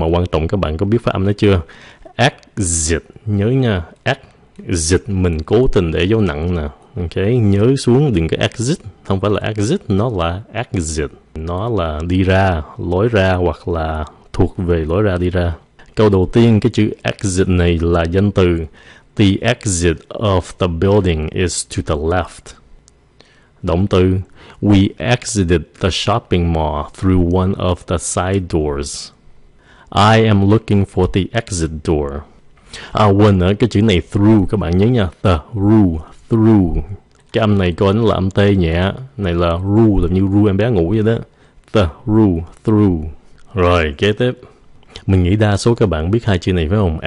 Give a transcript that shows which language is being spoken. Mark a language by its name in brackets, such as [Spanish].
[Vietnamese] Mà quan trọng các bạn có biết phát âm nó chưa? Exit, nhớ nha, exit, mình cố tình để dấu nặng nè. Ok, nhớ xuống đừng có exit, không phải là exit, nó là exit. Nó là đi ra, lối ra hoặc là thuộc về lối ra đi ra. Câu đầu tiên, cái chữ exit này là danh từ. [English] The exit of the building is to the left. [Vietnamese] Động từ, [English] we exited the shopping mall through one of the side doors. I am looking for the exit door. [Vietnamese] À, quên nữa, cái chữ này through, các bạn nhớ nha. The, ru, through. Cái âm này coi nó là âm tê nhẹ. Này là ru, là như ru em bé ngủ vậy đó. The, ru, through. Rồi, kế tiếp. Mình nghĩ đa số các bạn biết hai chữ này phải không?